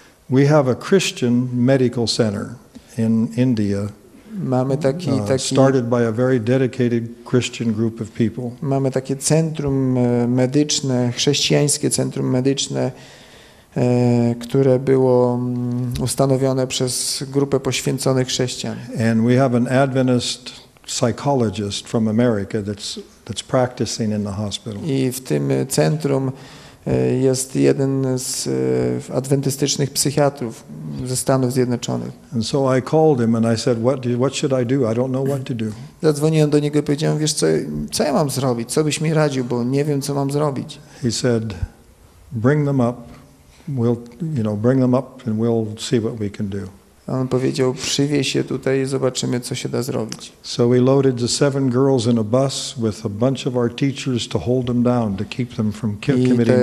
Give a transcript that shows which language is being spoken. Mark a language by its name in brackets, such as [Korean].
[English] We have a Christian medical center in India. [Polish] Mamy taki [English] started by a very dedicated Christian group of people. [Polish] Mamy takie centrum medyczne, chrześcijańskie centrum medyczne, które było ustanowione przez grupę poświęconych chrześcijan. [English] And we have an Adventist psychologist from America that's that's practicing in the hospital. [Polish] I w tym centrum jest jeden z adwentystycznych psychiatrów ze Stanów Zjednoczonych. [English] And so I called him and I said, what should I do? I don't know what to do. [Polish] Zadzwoniłem do niego i powiedziałem, wiesz co ja mam zrobić? Co byś mi radził, bo nie wiem, co mam zrobić. [English] He said, bring them up. We'll, you know, bring them up and we'll see what we can do. [Polish] On powiedział, przywieź się tutaj i zobaczymy, co się da zrobić. [English] So we loaded the seven girls in a bus with a bunch of our teachers to hold them down, to keep them from committing suicide.